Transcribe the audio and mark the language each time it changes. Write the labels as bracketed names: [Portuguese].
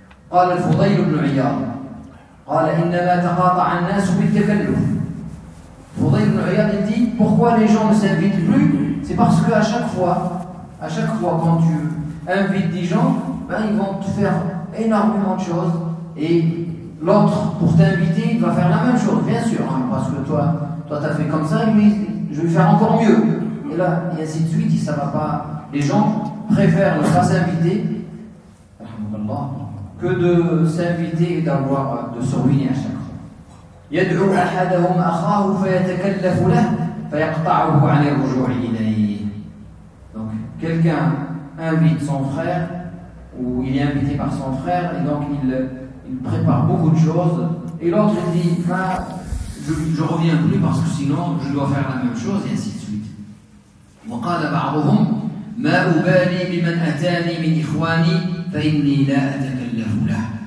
[Arabic] قال الفضيل بن عياض قال انما تقاطع الناس بالتكلف. [French] فضيل بن عياض dit pourquoi les gens ne s'invitent plus ? C'est parce que à chaque fois quand tu invites des gens, ben, ils vont te faire énormément de choses et l'autre, pour t'inviter, il va faire la même chose, bien sûr, hein, parce que toi t'as fait comme ça, mais je vais faire encore mieux. Et là, et ainsi de suite, ça va pas. Les gens préfèrent ne pas s'inviter que de s'inviter et d'avoir de se ruiner à chaque fois. [Arabic] يدعو أحدهم أخاه فيتكلف له فيقطعه عن الرجوع إليه. [French] Donc, quelqu'un invite son frère ou il est invité par son frère et donc il prépare beaucoup de choses et l'autre dit ah, je reviens plus parce que sinon je dois faire la même chose et ainsi de suite. [Arabic] وقال بعضهم ما أبالي بمن أتاني من إخواني فإني لا أتكلف له.